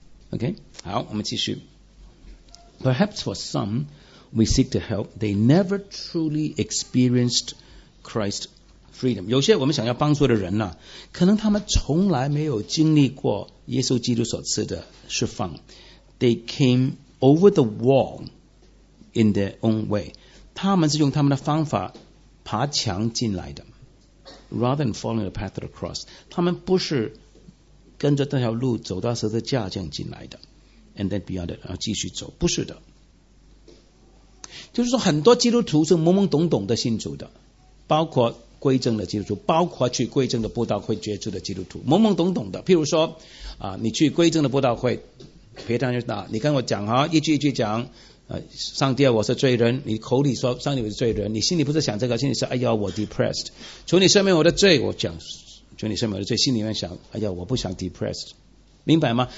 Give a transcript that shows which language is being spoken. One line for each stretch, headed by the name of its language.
Chinese: OK， 好，我们继续。
English: Perhaps for some we seek to help they never truly experienced Christ freedom，
Chinese: 有些我们想要帮助的人、可能他们从来没有经历过耶稣基督所赐的释放。
English: They came over the wall in their own way，
Chinese: 他们是用他们的方法爬墙进来的，
English: rather than following the path of the cross，
Chinese: 他们不是跟着这条路走到十字架这样进来的，
English: and then beyond it
Chinese: 继续走，不是的。就是说很多基督徒是懵懵懂懂的信主的，包括归正的基督徒，包括去归正的布道会接触的基督徒，懵懵懂懂的。譬如说、你去归正的布道会，别当就打你跟我讲、一句一句讲、上帝我是罪人，你口里说上帝我是罪人，你心里不是想这个，心里说哎呀我 depressed， 求你赦免我的罪，我讲求你赦免我的罪，心里面想哎呀我不想 depressed， 明白吗？